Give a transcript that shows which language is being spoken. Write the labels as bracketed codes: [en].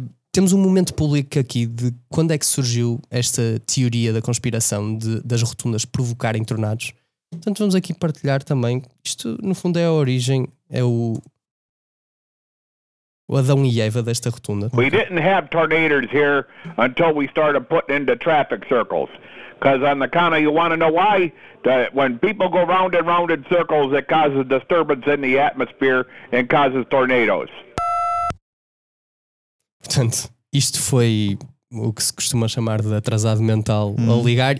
[pt] Temos um momento público aqui de quando é que surgiu esta teoria da conspiração das rotundas provocarem tornados. Portanto, vamos aqui partilhar também. Isto, no fundo, é a origem, é o Adão e Eva desta rotunda. [en] We didn't have tornadoes here until we started putting into traffic circles. Because on the corner, you want to know why? When people go round and round in circles, it causes disturbance in the atmosphere and causes tornadoes. [pt] Portanto, isto foi o que se costuma chamar de atrasado mental a ligar.